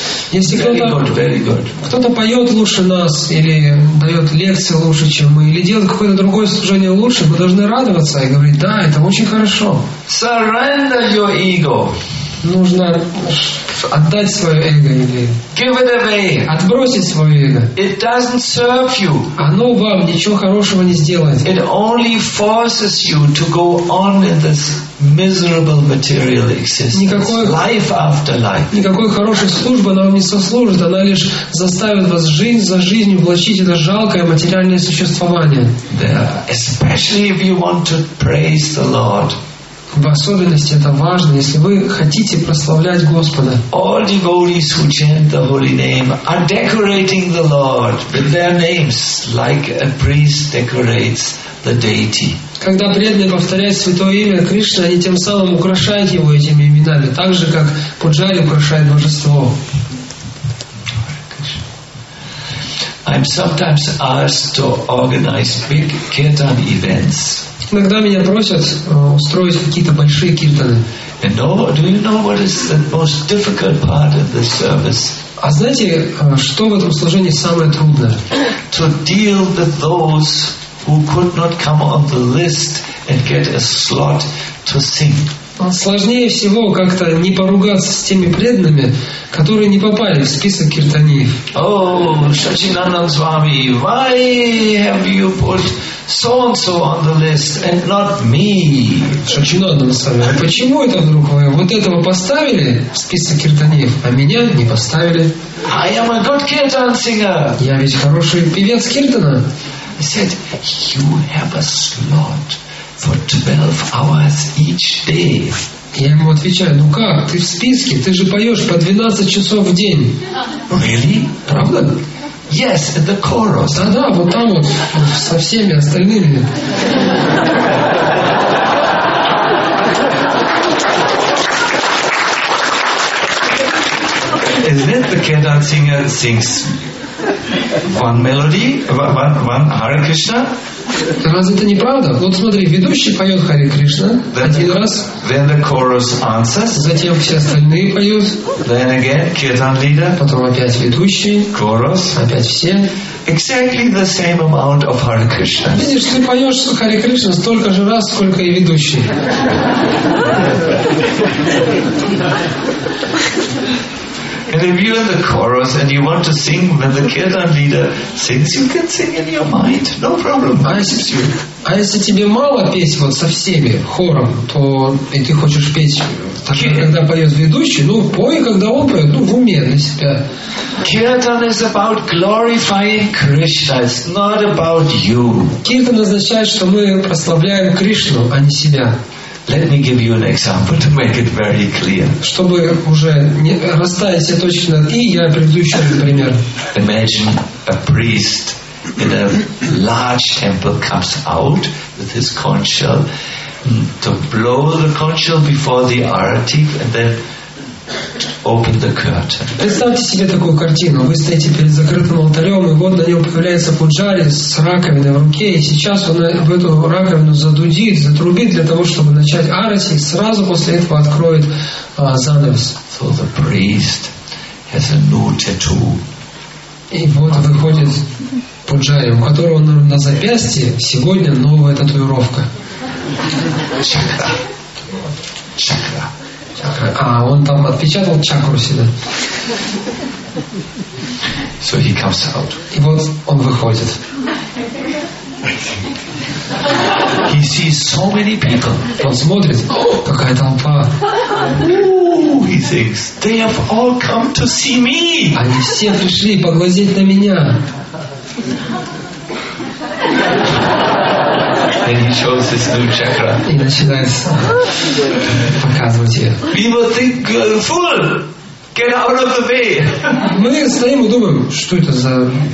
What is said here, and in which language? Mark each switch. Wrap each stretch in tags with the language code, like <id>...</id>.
<ru>Если кто-то поет лучше нас, или дает лекции лучше, чем мы, или делает какое-то другое служение лучше, мы должны радоваться и говорить, да, это очень хорошо.</ru> <en>Surrender your ego.</en> <ru>Нужно отдать свое эго или</ru> <en>give it away.</en> <ru>Отбросить свое эго.</ru> <en>It doesn't serve you.</en> <ru>Оно вам ничего хорошего не сделает.</ru> <en>It only forces you to go on in this miserable material existence.</en> <ru>Никакой,</ru> <en>life after life.</en> <ru>Никакой хорошей службы она вам не сослужит. Она лишь заставит вас жизнь за жизнью влачить это жалкое материальное существование.</ru> <en>Especially if you want to praise the Lord.</en> <ru>В особенности это важно, если вы хотите прославлять Господа.</ru> <en>All devotees who chant the holy name are decorating the Lord with their names, like a priest decorates the deity.</en> <ru>Когда преданные повторяют святое имя Кришны, они тем самым украшают его этими именами, так же как пуджари украшает божество.</ru> <en>I'm sometimes asked to organize big kirtan events.</en> <ru>Иногда меня просят устроить какие-то большие киртаны.</ru> <en>Do you know what is the most difficult part of the service?</en> <ru>А знаете, что в этом служении самое трудное?</ru> <en>To deal with those who could not come on the list and get a slot to sing.</en> <ru>Сложнее всего как-то не поругаться с теми преданными, которые не попали в список киртаниев.</ru> <en>Oh, Шачинандан Свами, why have you put so and so on the list and not me?</en> <ru>Шачинандан Свами, почему это вдруг вы вот этого поставили в список киртаниев, а меня не поставили?</ru> <en>I am a good kirtan singer.</en> <ru>Я ведь хороший певец киртана.</ru> <en>I said, you have a slot. For 12 hours each day.</en> <ru>Я ему отвечаю, ну как, ты в списке, ты же поешь по 12 часов в день.</ru> <en>Really?</en> <ru>Правда?</ru> <en>Yes, at the chorus.</en> <ru>Да-да, вот там вот, со всеми остальными.</ru> <en>Is it the kirtan singer sings one melody, one Hare Krishna?</en> <ru>Разве это не правда? Вот смотри, ведущий поет Харе Кришна один раз.</ru> <en>Then the chorus answers.</en> <ru>Затем все остальные поют.</ru> <en>Then again, kirtan leader.</en> <ru>Потом опять ведущий.</ru> <en>Chorus.</en> <ru>Опять все.</ru> <en>Exactly the same amount of Hare Krishna.</en> <ru>Видишь, ты поешь Харе Кришна столько же раз, сколько и ведущий.</ru> <en>Yeah. And if you're in the chorus and you want to sing when the kirtan leader sings, you can sing in your mind, no problem.</en> <ru>А если тебе мало петь вот со всеми хором, то и ты хочешь петь, так, когда поет ведущий, ну пой, когда он поет, ну в уме на себя.</ru> <en>Kirtan is about glorifying Krishna, it's not about you.</en> <ru>Kirtan означает, что мы прославляем Кришну, а не себя.</ru> <en>Let me give you an example to make it very clear.</en> <ru>Чтобы уже не расставить все точки над и, я приведу еще один пример.</ru> <en>Imagine a priest in a large temple comes out with his conch shell to blow the conch shell before the arati and then open the curtain.</en> <ru>Представьте себе такую картину. Вы стоите перед закрытым алтарем, и вот на нем появляется пуджари с раковиной в руке, и сейчас он в эту раковину задудит, затрубит для того, чтобы начать арати, и сразу после этого откроет занавес.</ru> <en>So the priest has a new tattoo.</en> <ru>И вот выходит пуджари, у которого на запястье сегодня новая татуировка. Чакра. Чакра. А, он там отпечатал чакру себе.</ru> <en>So he comes out.</en> <ru>И вот он выходит.</ru> <en>He sees so many people.</en> <ru>Он смотрит, какая толпа.</ru> <en>Ooh, he thinks, they have all come to see me.</en> <ru>Они все пришли поглазеть на меня.</ru> <en>And he shows his new chakra.</en> <ru>И начинает показывать ее.</ru> <en>People think, fool, get out of the way.</en> <ru>Мы стоим и думаем, что это за</ru>